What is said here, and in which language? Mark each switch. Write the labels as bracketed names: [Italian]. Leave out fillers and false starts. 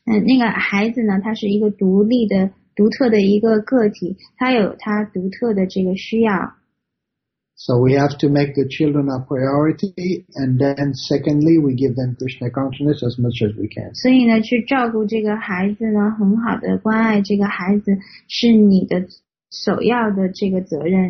[Chinese] 那个孩子呢，他是一个独立的、独特的一个个体，他有他独特的这个需要。 [English] So we have to make the children a priority, and then secondly, we give them Krishna consciousness as much as we can. [Chinese] 所以呢，去照顾这个孩子呢，很好的关爱这个孩子是你的首要的这个责任。